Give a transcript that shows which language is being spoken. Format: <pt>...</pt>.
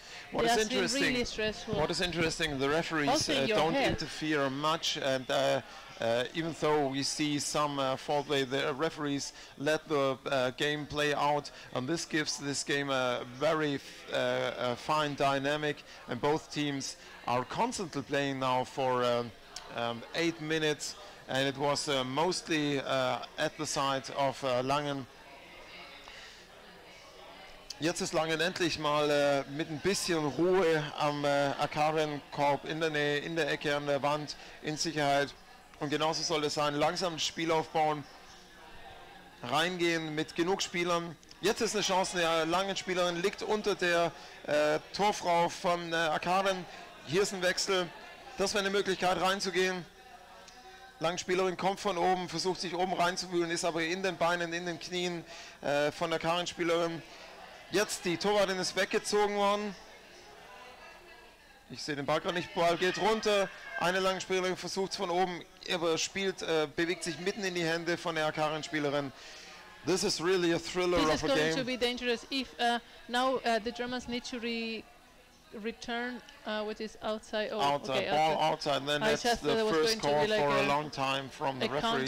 <en>What is interesting, what is interesting, the referees don't interfere much, and even though we see some foul play, the referees let the game play out, and this gives this game a very fine dynamic, and both teams are constantly playing now for 8 minutes, and it was mostly at the side of Langen.</en> <de>Jetzt ist Langen endlich mal mit ein bisschen Ruhe am Akkaren-Korb in der Nähe, in der Ecke, an der Wand, in Sicherheit. Und genauso soll es sein, langsam das Spiel aufbauen, reingehen mit genug Spielern. Jetzt ist eine Chance, der Langen-Spielerin liegt unter der Torfrau von Akkaren. Hier ist ein Wechsel, das wäre eine Möglichkeit reinzugehen. Langspielerin kommt von oben, versucht sich oben reinzuwühlen, ist aber in den Beinen, in den Knien von der Akkaren-Spielerin. Jetzt die Torwartin ist weggezogen worden. Ich sehe den Ball gerade nicht, Ball geht runter. Eine Langspielerin versucht es von oben, aber spielt, bewegt sich mitten in die Hände von der Akkaren-Spielerin.</de> <en>This is really a thriller this of a game. This is going to be dangerous if now the Germans need to return what is outside. Oh, outside, okay, ball outside. Then that's the first call like for a long time from the referees.</en>